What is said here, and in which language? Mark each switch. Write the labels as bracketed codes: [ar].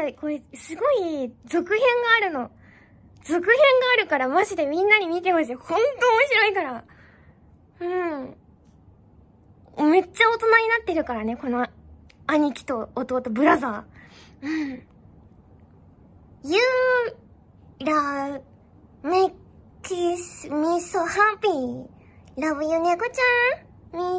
[ja] 続編があるの。続編があるからマジでみんなに見てほしい。ほんと面白いから。うん。めっちゃ大人になってるからね、この兄貴と弟、ブラザー。うん。 [en] You love makes me so happy. Love you, 猫ちゃん。